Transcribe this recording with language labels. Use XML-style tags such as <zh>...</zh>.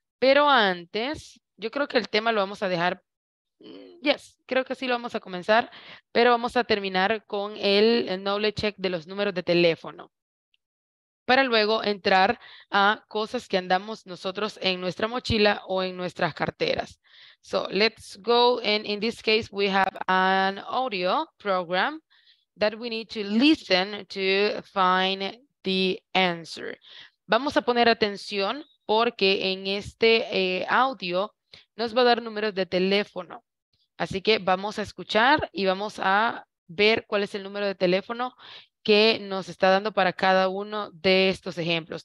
<es>Pero antes, yo creo que el tema lo vamos a dejar. Yes, creo que sí lo vamos a comenzar, pero vamos a terminar con el knowledge check de los números de teléfono. Para luego entrar a cosas que andamos nosotros en nuestra mochila o en nuestras carteras.</es> <en>So let's go, and in this case we have an audio program that we need to listen to find the answer.</en> <es>Vamos a poner atención porque en este audio nos va a dar números de teléfono. Así que vamos a escuchar y vamos a ver cuál es el número de teléfono que nos está dando para cada uno de estos ejemplos.</es>